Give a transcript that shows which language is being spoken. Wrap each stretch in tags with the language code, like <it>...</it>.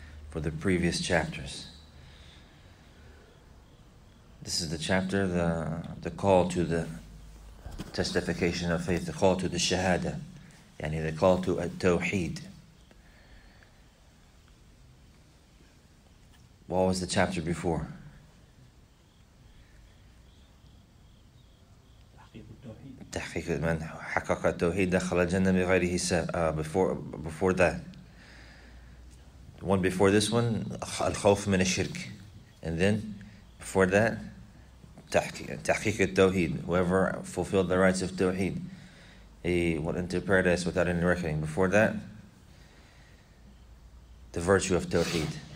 <en>For the previous chapters, this is the chapter, the call to the testification of faith, the call to the shahada, yani the call to at-tawheed. What was the chapter before?</en> <ar>تحقيق من حقق التوحيد دخل الجنة بغير حساب.</ar> <en>Before that. One before this one,</en> <ar>الخوف من الشرك.</ar> <en>And then, before that,</en> <ar>تحقيق التوحيد.</ar> <en>Whoever fulfilled the rights of التوحيد, he will enter paradise without any reckoning. Before that, the virtue of التوحيد.</en>